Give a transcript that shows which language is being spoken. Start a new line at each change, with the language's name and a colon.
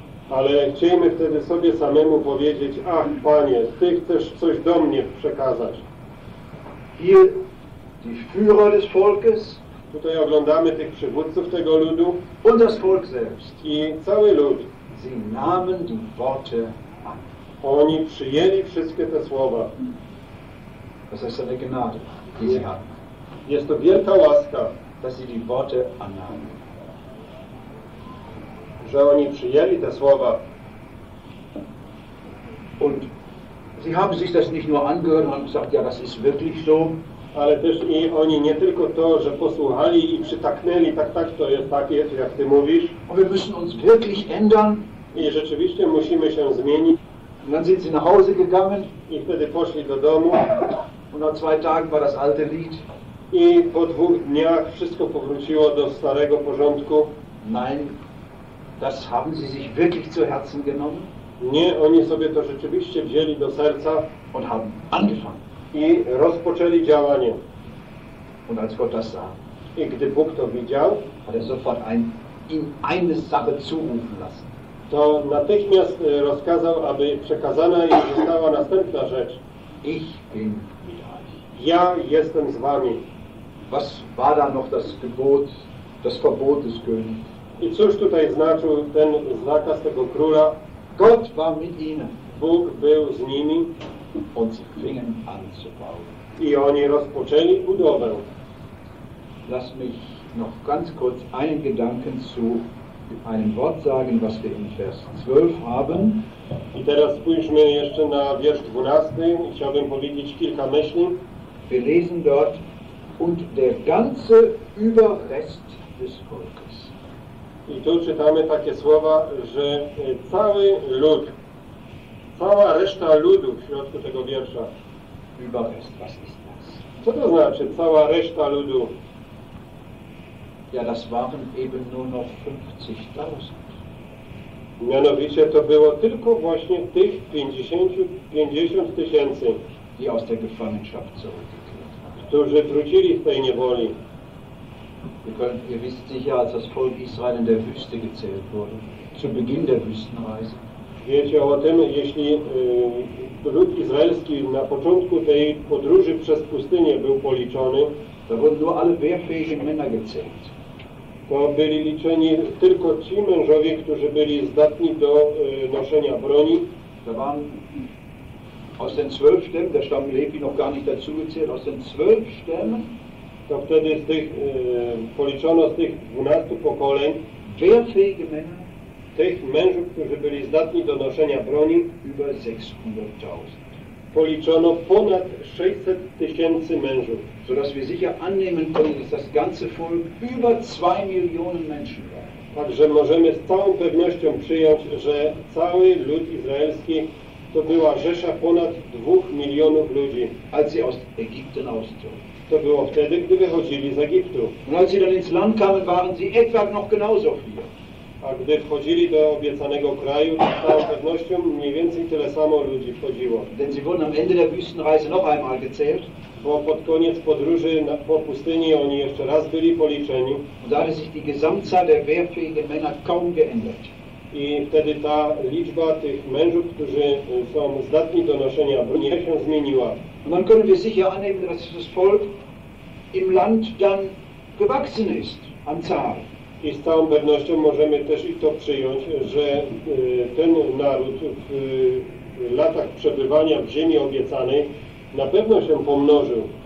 Polish: Ale chcielibyśmy wtedy sobie samemu powiedzieć, ach Panie, Ty chcesz coś do mnie przekazać.
German: Hier die Führer des Volkes.
Polish: Tutaj oglądamy tych przywódców tego ludu.
German: Und das Volk selbst.
Polish: I cały lud.
German: Sie nahmen die Worte an.
Polish: Oni przyjęli wszystkie te słowa.
German: Das ist eine Gnade, die sie hatten.
Polish: Jest to wielka łaska,
German: dass sie die Worte annahmen.
Polish: Że oni przyjęli te słowa.
German: Und sie haben sich das nicht nur angehört und gesagt, ja, das ist wirklich so.
Polish: Ale też i oni nie tylko to, że posłuchali i przytaknęli, tak, tak, to jest tak, jest, jak ty mówisz.
German: Wir müssen uns wirklich ändern.
Polish: I rzeczywiście musimy się zmienić.
German: Und dann sind sie nach Hause gegangen.
Polish: I wtedy poszli do domu.
German: Und nach zwei Tagen war das alte Lied.
Polish: I po dwóch dniach wszystko powróciło do starego porządku.
German: Nein, das haben sie sich wirklich zu Herzen genommen.
Polish: Nie, oni sobie to rzeczywiście wzięli do serca.
German: Und haben angefangen.
Polish: I rozpoczęli działanie.
German: Und als Gott das sah,
Polish: i gdy Bóg to widział,
German: hat er sofort in eine Sache zurufen lassen.
Polish: To natychmiast rozkazał, aby przekazana im została następna rzecz.
German: Ich bin mit euch.
Polish: Ja jestem z wami.
German: Was war da noch das Gebot, das Verbot des Königs?
Polish: I cóż tutaj znaczył ten zakaz tego króla?
German: Gott war mit ihnen.
Polish: Bóg był z nimi.
German: Und sie fingen an zu bauen.
Polish: I oni rozpoczęli budowę.
German: Lass mich noch ganz kurz einen Gedanken zu einem Wort sagen, was wir in Vers 12 haben.
Polish: I teraz spójrzmy jeszcze na wiersz 12. Chciałbym powiedzieć kilka myśli.
German: Wir lesen dort, und der ganze Überrest des Volkes.
Polish: I tu czytamy takie słowa, że cały lud, cała reszta ludu w środku tego wiersza.
German: Überrest, was ist das?
Polish: Co to znaczy cała reszta ludu?
German: Ja, das waren eben nur noch 50.000.
Polish: Mianowicie to było tylko właśnie tych 50 tysięcy,
German: die aus der Gefangenschaft zurückgekehrt,
Polish: którzy wrócili z tej niewoli.
German: Ihr wisst sicher, als das Volk Israel in der Wüste gezählt wurde, zu Beginn der Wüstenreise.
Polish: Wiecie o tym, jeśli lud izraelski na początku tej podróży przez pustynię był policzony,
German: to wurden nur alle wehrfähigen Männer gezählt.
Polish: To byli liczeni tylko ci mężowie, którzy byli zdatni do noszenia broni.
German: Da waren aus den 12 Stämmen, der Stamm Levi noch gar nicht dazu gezählt, aus den 12 Stämmen,
Polish: to wtedy z tych, policzono z tych 12 pokoleń
German: wehrfähige Männer,
Polish: tych mężów, którzy byli zdatni do noszenia broni,
German: über 600.000.
Polish: Policzono ponad 600 tysięcy mężów.
German: So dass wir sicher annehmen können, dass das ganze Volk über 2 Millionen Menschen war.
Polish: Także możemy z całą pewnością przyjąć, że cały lud izraelski to była rzesza ponad 2 milionów ludzi.
German: Als sie aus Ägypten auszogen.
Polish: To było wtedy, gdy wychodzili z Egiptu.
German: Und als sie dann ins Land kamen, waren sie etwa noch genauso viele.
Polish: A gdy wchodzili do obiecanego kraju, z całą pewnością mniej więcej tyle samo ludzi wchodziło.
German: Denn sie wurden am Ende der Wüstenreise noch einmal gezählt.
Polish: Bo pod koniec podróży po pustyni oni jeszcze raz byli policzeni.
German: Und da hat sich die Gesamtzahl der wehrfähigen Männer kaum geändert.
Polish: I wtedy ta liczba tych mężów, którzy są zdatni do noszenia broni, się zmieniła.
German: Und dann können wir sicher annehmen, dass das Volk im Land dann gewachsen ist an Zahl.
Polish: I z całą pewnością możemy też i to przyjąć, że ten naród w latach przebywania w ziemi obiecanej na pewno się pomnożył.